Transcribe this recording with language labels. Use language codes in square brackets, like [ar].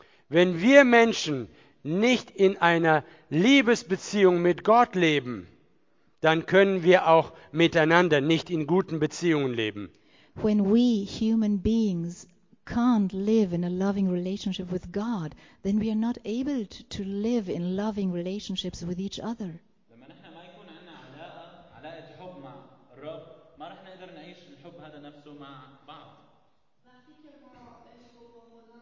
[de] Wenn wir Menschen nicht in einer Liebesbeziehung mit Gott leben, dann können wir auch miteinander nicht in guten Beziehungen leben. [en] When we human beings can't live in a loving relationship with God, then we are not able to live in loving relationships with each other. [de] Wenn wir nicht in einer Liebesbeziehung mit Gott leben,